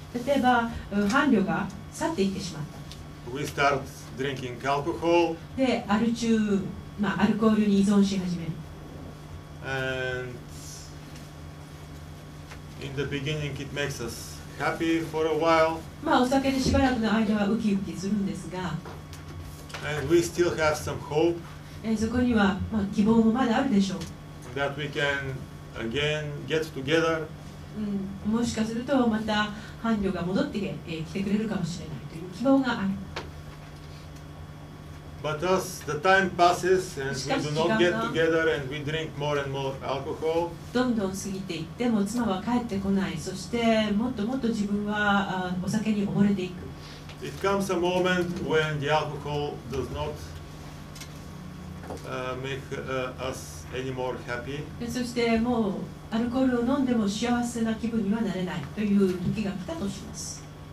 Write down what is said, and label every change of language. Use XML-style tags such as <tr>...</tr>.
<ja>例えば伴侶が去っていってしまった。</ja> <en>We start drinking alcohol.</en> <ja>で、アル中、まあ、アルコールに依存し始める。</ja> <en>And in the beginning it makes us happy for a while.</en> <ja>まあ、お酒でしばらくの間はウキウキするんですが。</ja> <en>And we still have some hope.</en> <ja>そこには、まあ、希望もまだあるでしょう。</ja> <en>That we can again get together.</en> <ja>うん、もしかするとまた伴侶が戻ってきてくれるかもしれないという希望がある。</ja> <en>But as the time passes and we do not get together and we drink more and more alcohol,</en> <ja>どんどん過ぎていっても妻は帰ってこない。そしてもっともっと自分はお酒に溺れていく。</ja> <en>It comes a moment when the alcohol does not make us any more happy.</en> <ja>そしてもうアルコールを飲んでも幸せな気分にはなれないという時が来たとします。</ja>